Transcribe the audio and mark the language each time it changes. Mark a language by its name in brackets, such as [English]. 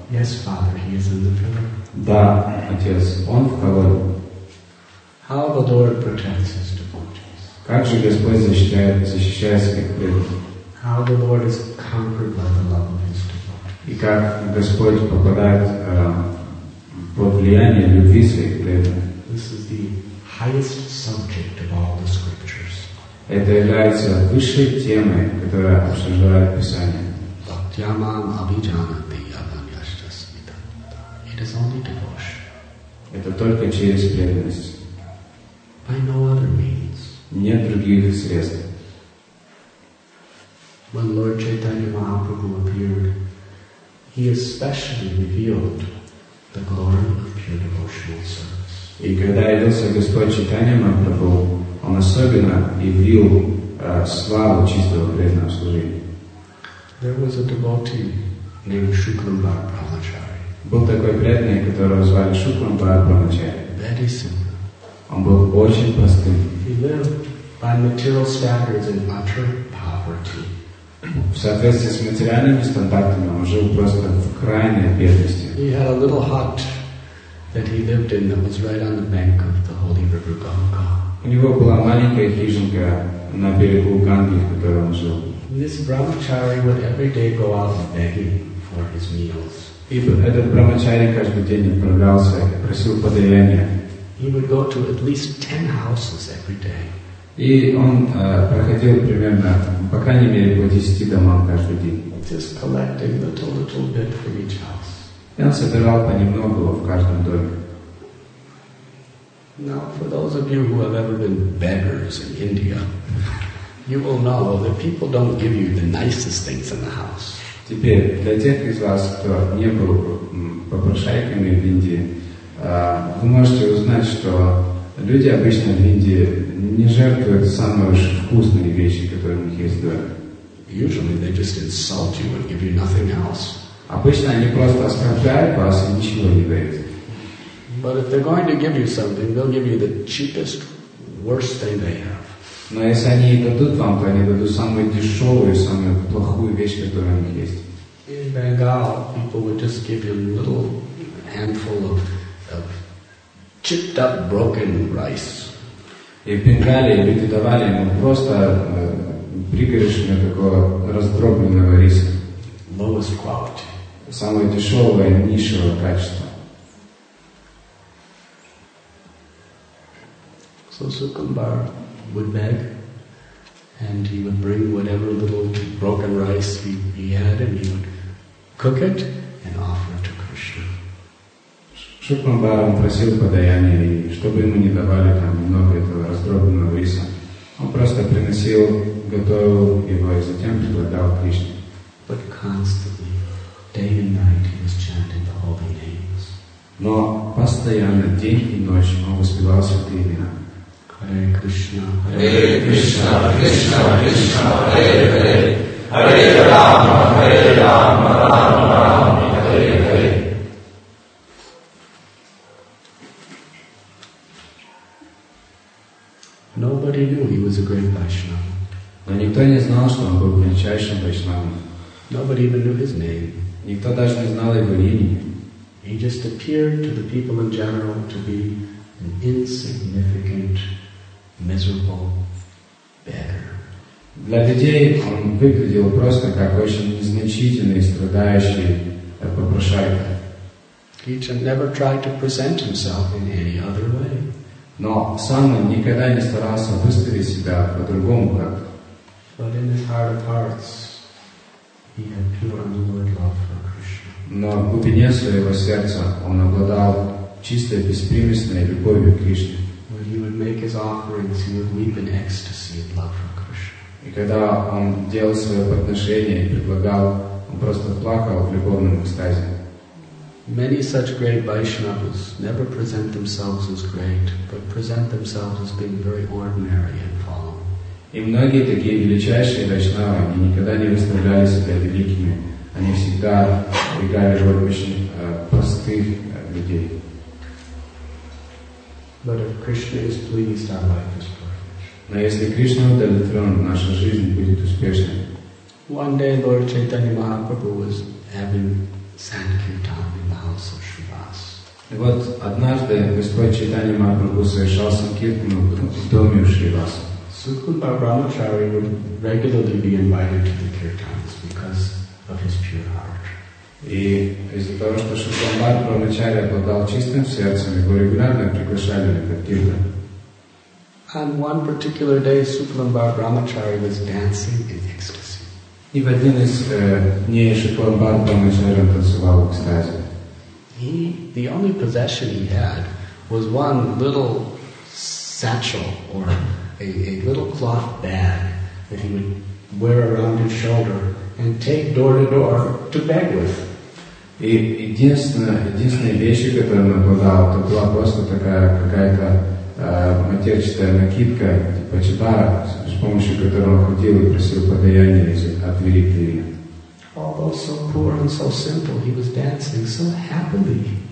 [English] Yes, Father, he is in the pillar. [Russian] Да, отец, он в колонне. [English] How the Lord protects his devotees. [Russian] Как же Господь защищает своих преданных? [English] How the Lord is conquered by the love of his devotees. [Russian] И как Господь попадает под влияние любви своих преданных? [English] This is the highest subject of all the scriptures. [Russian] Это является высшей темой, которая обсуждает Писание. [Sanskrit] Bhaktyamam abhijanati abhanyashta smitanta. [English] It is only devotion. [Russian] Это только через преданность. [English] By no other means. [Russian] Нет других средств. [English] When Lord Chaitanya Mahaprabhu appeared, he especially revealed the glory of pure devotional service. [Russian] И когда явился Господь Чайтанья Махапрабху, он особенно явил славу чистого преданного служения. [English] There was a devotee named Shuklambar Brahmachari. [Russian] Был такой преданный, которого звали Shuklambar Brahmachari. [English] Very simple. [Russian] Он был очень простым. [English] He lived by material standards in utter poverty. [Russian] В соответствии с материальными стандартами, он жил просто в крайней бедности. [English] He had a little hut that he lived in that was right on the bank of the holy river Ganga. [Russian] У него была маленькая хижинка на берегу Ганги, в которой он жил. [English] This Brahmachari would every day go out begging for his meals. [Russian] И этот Брахмачари каждый день отправлялся и просил подаяния. [English] He would go to at least 10 houses every day. [Russian] И он проходил примерно, по крайней мере, по 10 домам каждый день. [English] Just collecting little bit from each house. [Russian] И он собирал понемногу в каждом доме. [English] Now, for those of you who have ever been beggars in India, you will know that people don't give you the nicest things in the house. [Russian] Теперь для тех из вас, кто не был попрошайками в Индии, вы можете узнать, что люди обычно в Индии не жертвуют самые вкусные вещи, которые у них есть дома. [English] Usually they just insult you and give you nothing else. [Russian] Обычно они просто оскорбляют вас и ничего не дают. [English] But if they're going to give you something, they'll give you the cheapest, worst thing they have. [Russian] Но если они дадут вам, то они дадут самую дешевую, самую плохую вещь, которая у них есть. [English] In Bengal, people would just give you a little handful of chipped up, broken rice. [Russian] И в Бенгалии люди давали ему просто пригоршню такого раздробленного риса. [English] Lowest quality. [Russian] Самого дешевого и низшего качества. [English] So Sukumbhar would beg, and he would bring whatever little broken rice he had, and he would cook it and offer it to Krishna. [Russian] Шукамбар просил подаяния, и чтобы ему не давали там много этого раздробленного риса, он просто приносил, готовил его и затем предлагал Кришне. [English] But constantly, day and night, he was chanting the holy names. [Russian] Но постоянно, день и ночь, он воспевал святые имена. [Sanskrit] Hare Krishna, Hare Krishna, Krishna Krishna, Hare Hare, Hare Rama, Hare Rama, Rama Rama, Hare Hare. [English] Nobody knew he was a great Vaishnava. [Russian] Но никто не знал, что он был величайшим Вайшнавом. [English] Nobody even knew his name. [Russian] Никто даже не знал его имени. [English] He just appeared to the people in general to be an insignificant, miserable beggar. [Russian] Для людей он выглядел просто как очень незначительный, страдающий попрошайка. [English] He never tried to present himself in any other way. [Russian] Но сам он никогда не старался выставить себя по-другому как-то. [English] But in his heart of hearts, he had pure unalloyed love for Krishna. [Russian] Но в глубине своего сердца он обладал чистой, беспримесной любовью к Кришне. [English] He would make his offerings, he would weep in ecstasy at love for Krishna. [Russian] И когда он делал свое подношение и предлагал, он просто плакал в любовном экстазе. [English] Many such great Vaishnavas never present themselves as great, but present themselves as being very ordinary and fallen. [Russian] И многие такие величайшие Вайшнавы, они никогда не выставляли себя великими. Они всегда играли роль очень простых людей. [English] But if Krishna is pleased, our life is perfect. [Russian] Но если Кришна удовлетворен, наша жизнь будет успешной. [English] One day Lord Chaitanya Mahaprabhu was having sankirtan in the house of Shrivas. [Russian] И вот однажды Господь Чайтанья Махапрабху совершал санкиртану в доме у Шривас. [English] Sukumbhar Brahmachari would regularly be invited to the kirtans because of his pure heart. [Russian] И из-за того, что Шукамбар Брамачари обладал чистым сердцем, его регулярно приглашали на картину. [English] On one particular day, Sukumbhar Brahmachari was dancing in ecstasy. [Russian] И в один из дней Шукамбар Брамачари танцевал в экстазе. [English] The only possession he had was one little satchel or a little cloth bag that he would wear around his shoulder and take door to door to beg with. [Russian] И единственная вещь, которую он обладал, это была просто такая какая-то матерчатая накидка, типа чебара, с помощью которой он ходил и просил подаяния от двери к двери. [English] Although so poor and so simple, he was dancing so happily.